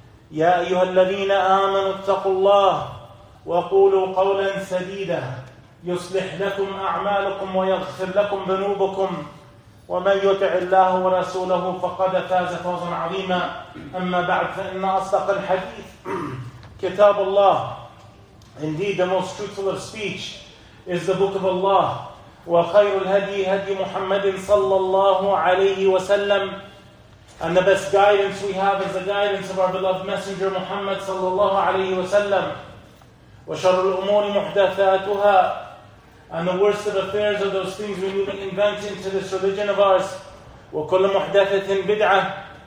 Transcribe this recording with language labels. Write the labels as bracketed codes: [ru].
[ar] يا أيها الذين آمنوا اتقوا الله وقولوا قولا سديدا يصلح لكم أعمالكم ويغفر لكم ذنوبكم ومن يطع الله ورسوله فقد فاز فوزا عظيما. أما بعد فإن أصدق الحديث كتاب الله. [en] Indeed the most truthful of speech is the book of Allah. [ar] وخير الهدي هدي محمد صلى الله عليه وسلم. [en] And the best guidance we have is the guidance of our beloved messenger Muhammad صلى الله عليه وسلم. [ar] وشر الأمور محدثاتها. [en] And the worst of affairs are those things we even invent into this religion of ours. [ar] وكل محدثة بدعة.